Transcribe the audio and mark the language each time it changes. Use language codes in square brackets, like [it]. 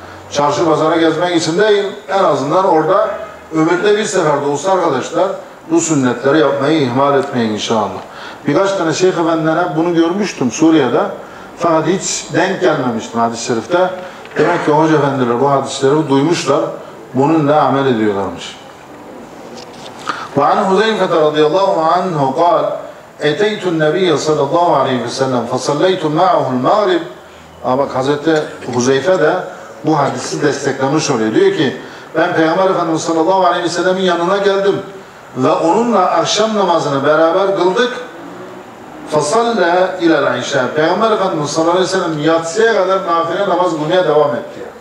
[tr] Çarşı pazara gezmek için değil, en azından orada ömürde bir seferde olsa arkadaşlar bu sünnetleri yapmayı ihmal etmeyin inşallah. Birkaç tane şeyh efendilerine bunu görmüştüm Suriye'de. Fakat hiç denk gelmemiştim hadis-i şerifte. Demek ki hoca efendiler bu hadisleri duymuşlar. Bununla amel ediyorlarmış. [ar] وعن حذيفة رضي الله عنه قال أتيت النبي صلى الله عليه وسلم فصليت معه المغرب. [tr] Ama Hazreti Huzeyfe de bu hadisi desteklemiş oluyor. Diyor ki ben Peygamber Efendimiz sallallahu aleyhi ve sellem'in yanına geldim ve onunla akşam namazını beraber kıldık. Fasalle ile Ayşe. Peygamber Efendimiz sallallahu aleyhi ve sellem yatsıya kadar nafile namaz kılmaya devam etti.